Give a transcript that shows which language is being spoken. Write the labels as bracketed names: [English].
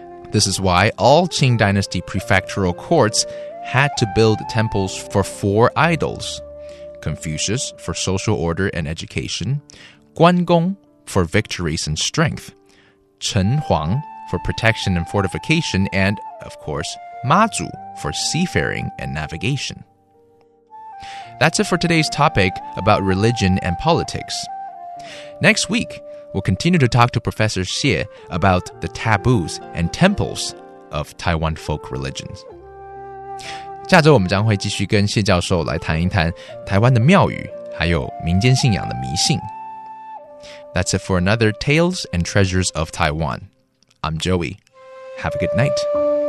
[English] This is why all Qing Dynasty prefectural courts had to build temples for four idols: Confucius for social order and education, Guan Gong for victories and strength, Chen Huang,for protection and fortification, and, of course, Mazu for seafaring and navigation. That's it for today's topic about religion and politics. Next week, we'll continue to talk to Professor Xie about the taboos and temples of Taiwan folk religions. [Chinese] 下周我们将会继续跟谢教授来谈一谈台湾的庙宇，还有民间信仰的迷信。 [English] That's it for another Tales and Treasures of Taiwan.I'm Joey. Have a good night.